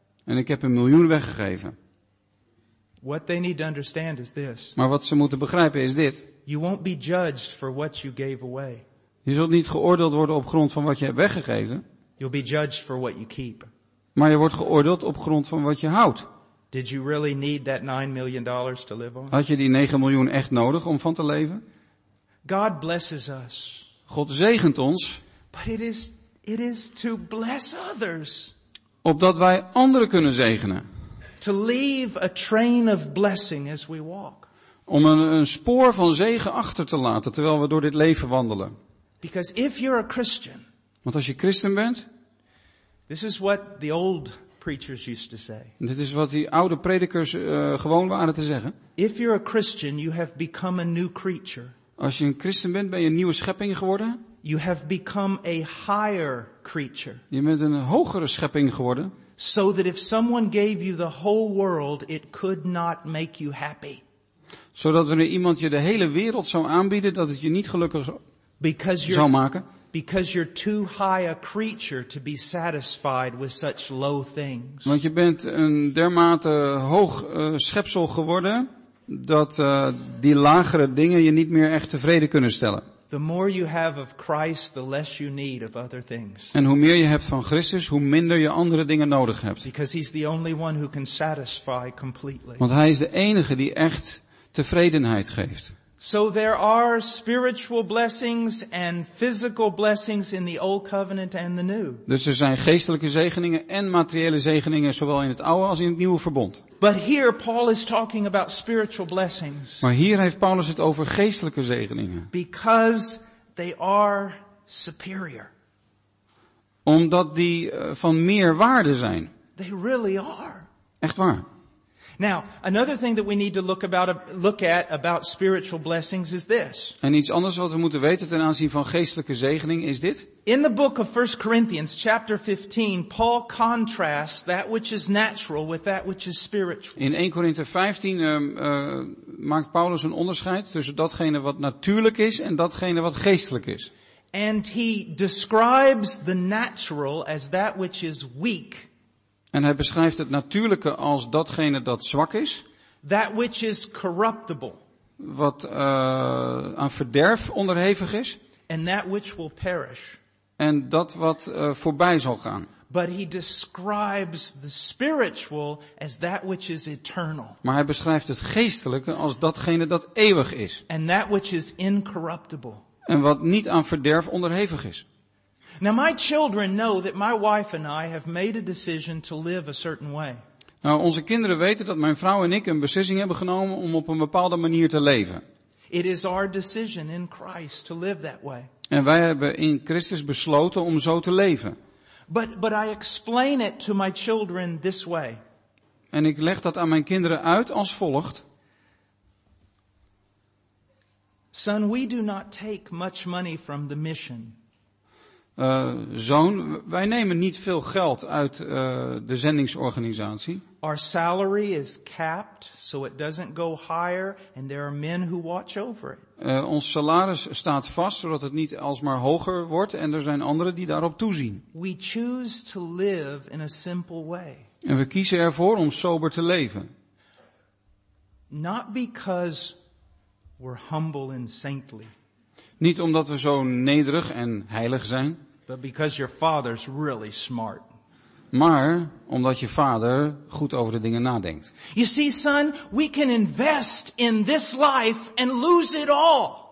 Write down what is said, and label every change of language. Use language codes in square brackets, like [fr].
[nl] En ik heb een miljoen weggegeven. [en] What they need to understand is this. [nl] Maar wat ze moeten begrijpen is dit. [en] You won't be judged for what you gave away. [nl] Je zult niet geoordeeld worden op grond van wat je hebt weggegeven. [en] You'll be judged for what you keep. [nl] Maar je wordt geoordeeld op grond van wat je houdt. [en] Did you really need that $9 million to live on? [nl] Had je die 9 miljoen echt nodig om van te leven? [en] God blesses us. [nl] God zegent ons. [en] But it is to bless others. [nl] Opdat wij anderen kunnen zegenen. [en] To leave a train of blessing as we walk. [nl] Om een spoor van zegen achter te laten terwijl we door dit leven wandelen. [en] Because if you're a Christian, [nl] want als je christen bent, [en] this is what the old preachers used to say. [nl] Dit is wat die oude predikers gewoon waren te zeggen. [en] If you're a Christian, you have become a new creature. [nl] Als je een christen bent, ben je een nieuwe schepping geworden. [en] You have become a higher creature. [nl] Je bent een hogere schepping geworden. [en] So that if someone gave you the whole world, it could not make you happy. [nl] Zodat wanneer iemand je de hele wereld zou aanbieden, dat het je niet gelukkig zou maken. [en] Because you're too high a creature to be satisfied with such low things. [nl] Want je bent een dermate hoog schepsel geworden dat die lagere dingen je niet meer echt tevreden kunnen stellen. [en] The more you have of Christ, the less you need of other things. [nl] En hoe meer je hebt van Christus, hoe minder je andere dingen nodig hebt. [en] Because he's the only one who can satisfy completely. [nl] Want hij is de enige die echt tevredenheid geeft. [en] So there are spiritual blessings and physical blessings in the old covenant and the new. [nl] Dus er zijn geestelijke zegeningen en materiële zegeningen zowel in het oude als in het nieuwe verbond. [en] But here Paul is talking about spiritual blessings. [nl] Maar hier heeft Paulus het over geestelijke zegeningen. [en] Because they are superior. [nl] Omdat die van meer waarde zijn. [en] They really are. [nl] Echt waar. [en] Now, another thing that we need to look at about spiritual blessings is this. [nl] En iets anders wat we moeten weten ten aanzien van geestelijke zegening is dit. [en] In the book of 1 Corinthians chapter 15, Paul contrasts that which is natural with that which is spiritual. [nl] In 1 Korinthe 15 maakt Paulus een onderscheid tussen datgene wat natuurlijk is en datgene wat geestelijk is. [en] And he describes the natural as that which is weak. [nl] En hij beschrijft het natuurlijke als datgene dat zwak is. [en] That which is corruptible. [nl] Wat aan verderf onderhevig is. [en] And that which will perish. [nl] En dat wat voorbij zal gaan. [en] But he describes the spiritual as that which is eternal. [nl] Maar hij beschrijft het geestelijke als datgene dat eeuwig is. [en] And that which is incorruptible. [nl] En wat niet aan verderf onderhevig is. [en] Now my children know that my wife and I have made a decision to live a certain way. [nl] Nou, onze kinderen weten dat mijn vrouw en ik een beslissing hebben genomen om op een bepaalde manier te leven. [en] It is our decision in Christ to live that way. [nl] En wij hebben in Christus besloten om zo te leven. [en] But I explain it to my children this way. [nl] En ik leg dat aan mijn kinderen uit als volgt. [en] Son, we do not take much money from the mission. [nl] Zoon, wij nemen niet veel geld uit de zendingsorganisatie. [en] Our salary is capped, so it doesn't go higher, and there are men who watch over it. [nl] Ons salaris staat vast, zodat het niet alsmaar hoger wordt, en er zijn anderen die daarop toezien. [en] We choose to live in a simple way. [nl] En we kiezen ervoor om sober te leven. [en] Not because we're humble and saintly. [nl] Niet omdat we zo nederig en heilig zijn. [en] But because your father's really smart. [nl] Maar omdat je vader goed over de dingen nadenkt. [en] You see, son, we can invest in this life and lose it all.